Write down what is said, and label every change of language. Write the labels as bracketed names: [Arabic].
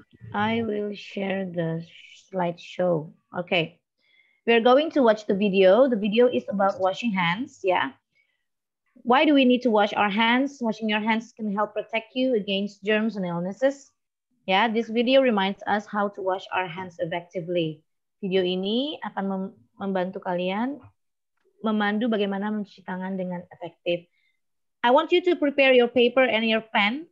[English] I will share the slideshow. Okay. We are going to watch the video. The video is about washing hands, yeah. Why do we need to wash our hands? Washing your hands can help protect you against germs and illnesses. Yeah, this video reminds us how to wash our hands effectively. [Indonesian] Video ini akan membantu kalian memandu bagaimana mencuci tangan dengan efektif. [English] I want you to prepare your paper and your pen.